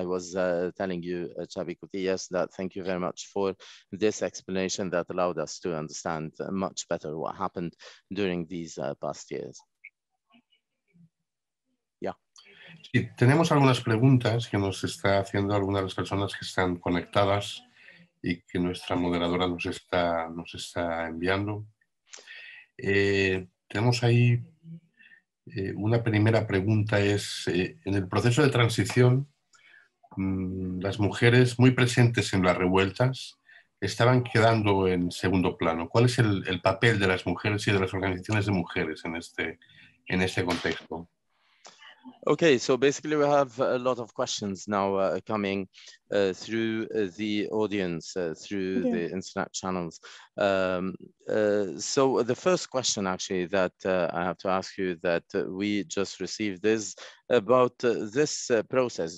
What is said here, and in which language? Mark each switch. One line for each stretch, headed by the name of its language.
English: I was telling you, Chabi Kutiyas, that thank you very much for this explanation that allowed us to understand much better what happened during these past years. Yeah.
Spanish: Sí, tenemos algunas preguntas que nos está haciendo algunas de las personas que están conectadas y que nuestra moderadora nos está enviando. Tenemos ahí. Una primera pregunta es, en el proceso de transición, las mujeres muy presentes en las revueltas estaban quedando en segundo plano. ¿Cuál es el papel de las mujeres y de las organizaciones de mujeres en este contexto?
English: Okay, so basically we have a lot of questions now coming through the audience, through the internet channels. So the first question actually that I have to ask you that we just received is about this process.